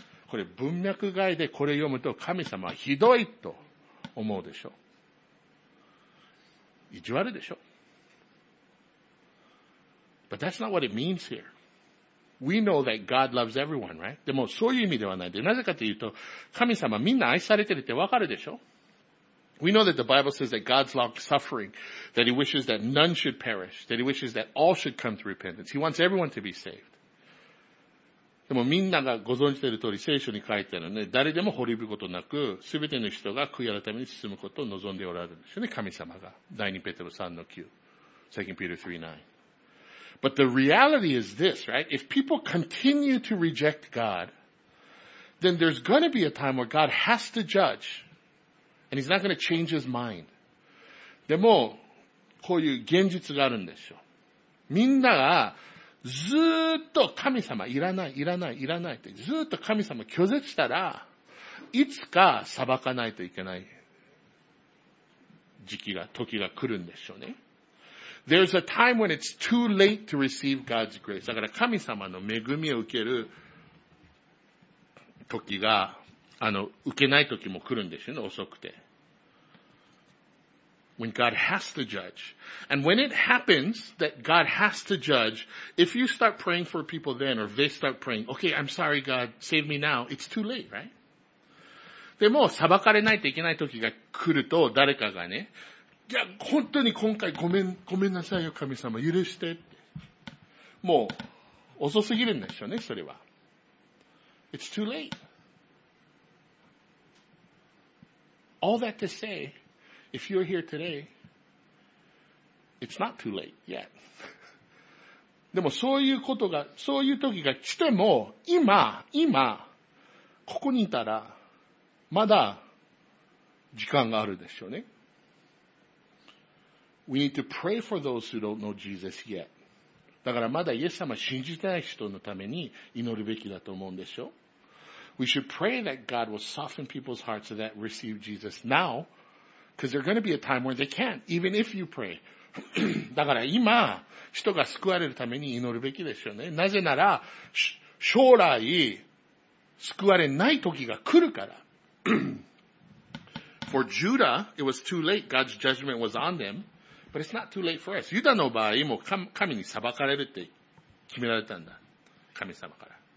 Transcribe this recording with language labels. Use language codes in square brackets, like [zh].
[ja] これ文脈外でこれ読むと神様はひどいと思うでしょ。意地悪でしょ。 [en] But that's not what it means here. We know that God loves everyone, right? [ja] でもそういう意味ではないで。なぜかというと、神様みんな愛されてるってわかるでしょ。 [en] We know that the Bible says that God's long suffering, that He wishes that none should perish, that He wishes that all should come to repentance. He wants everyone to be saved. [ja] でもみんながご存知ている通り聖書に書いてあるね、誰でも滅びることなく、すべての人が悔い改めに進むことを望んでおられるんですよね、神様が。第二ペテロ3の9。 [en] 2 Peter 3:9。 But the reality is this, right? If people continue to reject God, then there's going to be a time where God has to judge. And He's not going to change His mind. [ja] でも、こういう現実があるんですよ。みんながずーっと神様いらない、いらない、いらないって、ずーっと神様拒絶したら、いつか裁かないといけない時が来るんですよね。 [en] There's a time when it's too late to receive God's grace. [ja] だから神様の恵みを受ける時が、受けない時も来るんですよね、遅くて。 [en] When God has to judge. And when it happens that God has to judge, if you start praying for people then, or they start praying, okay, I'm sorry God, save me now, it's too late, right? [ja] でも、裁かれないといけない時が来ると、誰かがね、いや、本当に今回ごめんなさいよ、神様、許して。もう、遅すぎるんでしょうね、それは。 [en] It's too late. All that to say, if you're here today, it's not too late yet. [ja] でも、そういう時が来ても、今、ここにいたら、まだ、時間があるでしょうね。 [en] We need to pray for those who don't know Jesus yet. [ja] だからまだイエス様信じてない人のために祈るべきだと思うんでしょ。 [en] We should pray that God will soften people's hearts that receive Jesus now, because there's going to be a time where they can't, even if you pray. [ja] だから今、人が救われるために祈るべきでしょうね。なぜなら、将来、救われない時が来るから。 [en] For Judah, it was too late. God's judgment was on them. But it's not too late for us. [ja] ユダの場合も神に裁かれるって決められたんだ。神様から。